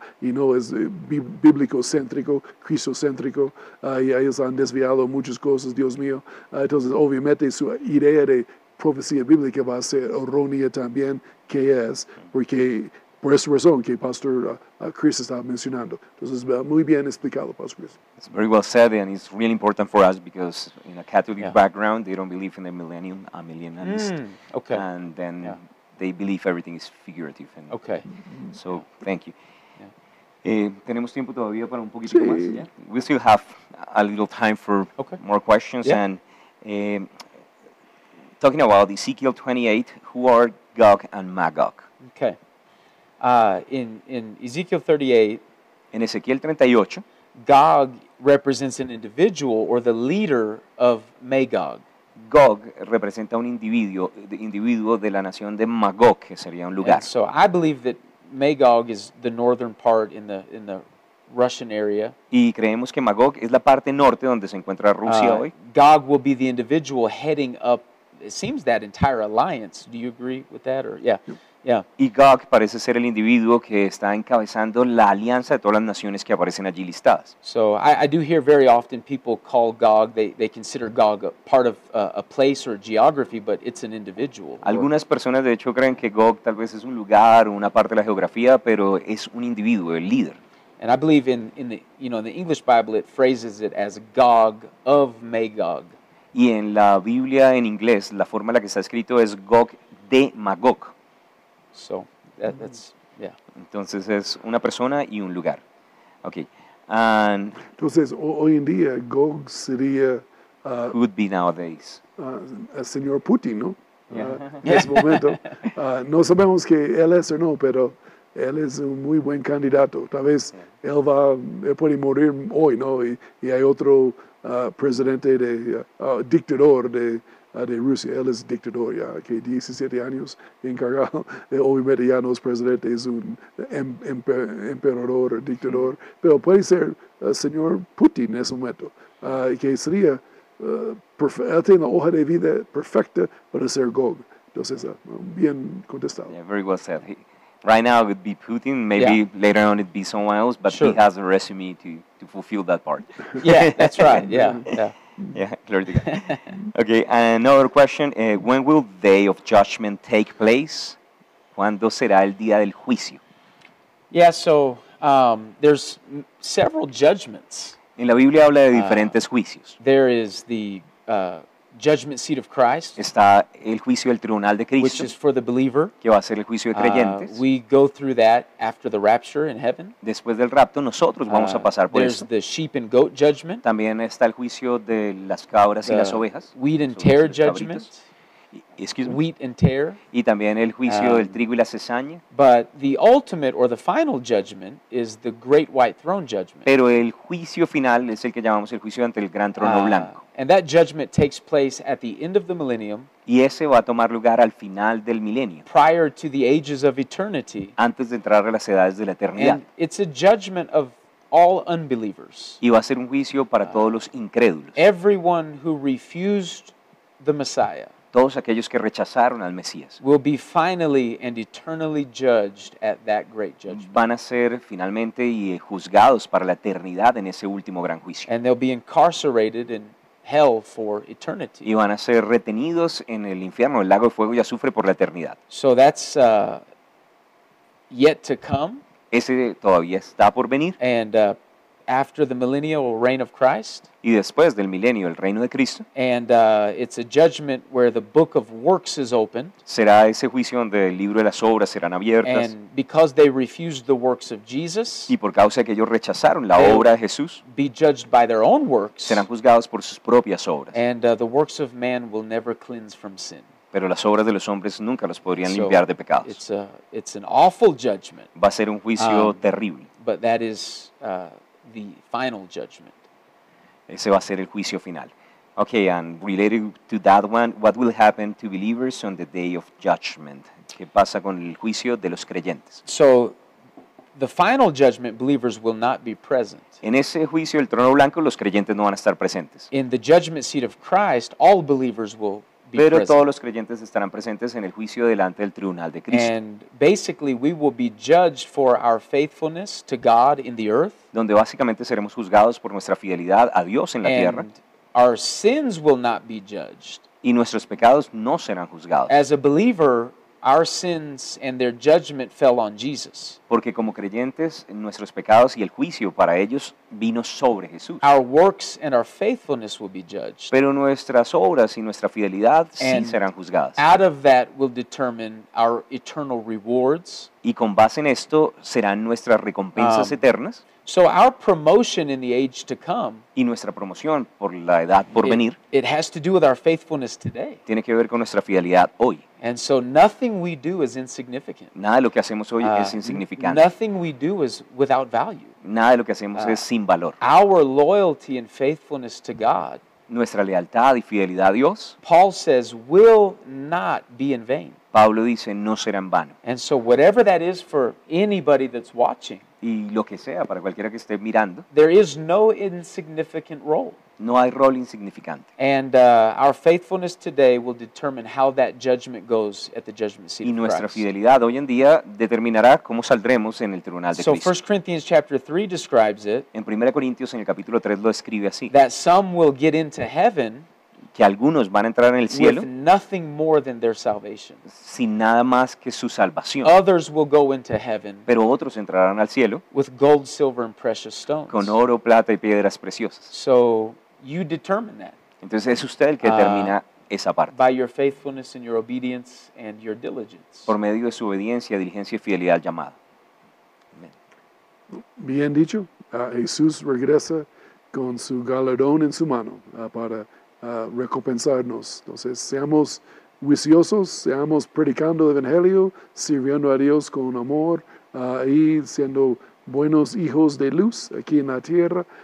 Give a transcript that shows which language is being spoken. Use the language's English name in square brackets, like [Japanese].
[Spanish] Y no es bíblico-céntrico, cristo-céntrico. Y ellos han desviado muchas cosas, Dios mío. Entonces, obviamente, su idea de profecía bíblica va a ser errónea también, que es, porque por esa razón que Pastor Chris estaba mencionando. Entonces, muy bien explicado, Pastor Chris. [English] It's very well said, and it's really important for us because in a Catholic background, they don't believe in the millennium, a millennialist. Okay. And then they believe everything is figurative. And okay. So, thank you. [Spanish] Tenemos tiempo todavía para un poquito más. [English] Yeah. We still have a little time for more questions. Yeah. And talking about Ezekiel 28, who are Gog and Magog? Okay. In Ezekiel 38, [Spanish] en Ezequiel 38, [English] Gog represents an individual or the leader of Magog. [Spanish] Gog representa un individuo, the individuo de la nación de Magog, que sería un lugar. [English] And so I believe that Magog is the northern part in the Russian area. [Spanish] Y creemos que Magog es la parte norte donde se encuentra Rusia hoy. [English] Gog will be the individual heading up, it seems, that entire alliance. Do you agree with that? Or [Spanish] Y Gog parece ser el individuo que está encabezando la alianza de todas las naciones que aparecen allí listadas. [English] So I do hear very often people call Gog, they consider Gog a part of a place or a geography, but it's an individual. [Spanish] Algunas personas de hecho creen que Gog tal vez es un lugar o una parte de la geografía, pero es un individuo, el líder. [English] And I believe in the English Bible it phrases it as Gog of Magog. [Spanish] Y en la Biblia en inglés la forma en la que está escrito es Gog de Magog. [English] So that's [Spanish] Entonces es una persona y un lugar. Okay. And entonces hoy en día Gog sería [English] would be nowadays. [Spanish] Señor Putin, ¿no? [English] Yeah. [Spanish] En ese momento no sabemos que él es o no, pero él es un muy buen candidato. Tal vez él puede morir hoy, ¿no? Y hay otro presidente de dictador de Rusia. Él es dictador ya, que 17 años encargado. Obviamente ya no es presidente, es un emperador o dictador. Pero puede ser señor Putin en ese momento, que sería, él tiene la hoja de vida perfecta para ser Gog. Entonces, bien contestado. [English] Yeah, very well said. Right now it would be Putin, maybe later on it'd be someone else, but he has a resume to fulfill that part. Yeah, that's right. Yeah. Yeah, glory to God. Okay, and another question, when will the Day of Judgment take place? [Spanish] ¿Cuándo será el día del juicio? [English] Yeah, so there's several judgments. [Spanish] En la Biblia habla de diferentes juicios. [English] There is the judgment seat of Christ. [Spanish] Está el juicio del tribunal de Cristo, [English] which is for the believer. [Spanish] Que va a ser el juicio de creyentes. [English] We go through that after the rapture in heaven. [Spanish] Después del rapto, nosotros vamos a pasar por [English] there's [Spanish] eso. [English] The sheep and goat judgment. [Spanish] También está el juicio de las cabras [English] the [Spanish] y las ovejas. [English] Wheat and tear judgment. Excuse me. Wheat and tear. [Spanish] Y también el juicio del trigo y la cizaña. [English] But the ultimate or the final judgment is the great white throne judgment. [Spanish] Pero el juicio final es el que llamamos el juicio ante el gran trono blanco. [English] And that judgment takes place at the end of the millennium. [Spanish] Y ese va a tomar lugar al final del milenio. [English] Prior to the ages of eternity. [Spanish] Antes de entrar a las edades de la eternidad. [English] And it's a judgment of all unbelievers. [Spanish] Y va a ser un juicio para todos los incrédulos. [English] Everyone who refused the Messiah. [Spanish] Todos aquellos que rechazaron al Mesías [English] will be finally and eternally judged at that great judgment. [Spanish] Van a ser finalmente y juzgados para la eternidad en ese último gran juicio. [English] And they'll be incarcerated in hell for eternity. [Spanish] Y van a ser retenidos en el infierno, el lago de fuego y azufre por la eternidad. [English] So that's yet to come. [Spanish] Ese todavía está por venir. [English] And after the millennial reign of Christ. [Spanish] Y después del milenio, el reino de Cristo. [English] And it's a judgment where the book of works is opened. [Spanish] Será ese juicio donde el libro de las obras serán abiertas. [English] And because they refused the works of Jesus. [Spanish] Y por causa de que ellos rechazaron la obra de Jesús. [English] Be judged by their own works. [Spanish] Serán juzgados por sus propias obras. [English] And the works of man will never cleanse from sin. [Spanish] Pero las obras de los hombres nunca los podrían limpiar de pecados. [English] It's an awful judgment. [Spanish] Va a ser un juicio terrible. [English] But that is the final judgment. [Spanish] Ese va a ser el juicio final. [English] Okay, and related to that one, what will happen to believers on the day of judgment? [Spanish] ¿Qué pasa con el juicio de los creyentes? [English] So, the final judgment, believers will not be present. [Spanish] En ese juicio del trono blanco, los creyentes no van a estar presentes. [English] In the judgment seat of Christ, all believers will be present. [Spanish] Pero todos los creyentes estarán presentes en el juicio delante del tribunal de Cristo. [English] And basically, we will be judged for our faithfulness to God in the earth. [Spanish] Donde básicamente seremos juzgados por nuestra fidelidad a Dios en la tierra. [English] And our sins will not be judged. [Spanish] Y nuestros pecados no serán juzgados. [English] As a believer, our sins and their judgment fell on Jesus. [Spanish] Porque como creyentes, nuestros pecados y el juicio para ellos vino sobre Jesús. [English] Our works and our faithfulness will be judged. [Spanish] Pero nuestras obras y nuestra fidelidad [English] and [Spanish] sí serán juzgadas. [English] Out of that will determine our eternal rewards. [Spanish] Y con base en esto serán nuestras recompensas eternas. [English] So our promotion in the age to come, [Spanish] y nuestra promoción por la edad por venir, [English] it has to do with our faithfulness today. [Spanish] Tiene que ver con nuestra fidelidad hoy. [English] And so nothing we do is insignificant. [Spanish] Nada de lo que hacemos hoy es insignificante. [English] Nothing we do is without value. [Spanish] Nada de lo que hacemos es sin valor. [English] Our loyalty and faithfulness to God, [Spanish] nuestra lealtad y fidelidad a Dios, [English] Paul says, will not be in vain. [Spanish] Pablo dice, no será en vano. [English] And so whatever that is for anybody that's watching, [Spanish] y lo que sea para cualquiera que esté mirando, [English] there is no insignificant role. [Spanish] No hay rol insignificante. [English] And our faithfulness today will determine how that judgment goes at the judgment seat of Christ. [Spanish] Y nuestra fidelidad hoy en día determinará cómo saldremos en el tribunal de [English] Cristo. So 1 Corinthians chapter 3 describes it. [Spanish] En 1 Corintios en el capítulo 3 lo describe así. [English] That some will get into heaven, [Spanish] que algunos van a entrar en el cielo, [English] with nothing more than their salvation. [Spanish] Sin nada más que su salvación. [English] Others will go into heaven, [Spanish] pero otros entrarán al cielo, [English] with gold, silver, and precious stones. [Spanish] Con oro, plata y piedras preciosas. [English] So you determine that. [Spanish] Entonces es usted el que determina esa parte. [English] By your faithfulness and your obedience and your diligence. [Spanish] Por medio de su obediencia, diligencia y fidelidad al llamado. Amen. Bien dicho. Jesús regresa con su galardón en su mano para recompensarnos. Entonces, seamos juiciosos, seamos predicando el Evangelio, sirviendo a Dios con amor y siendo buenos hijos de luz aquí en la tierra.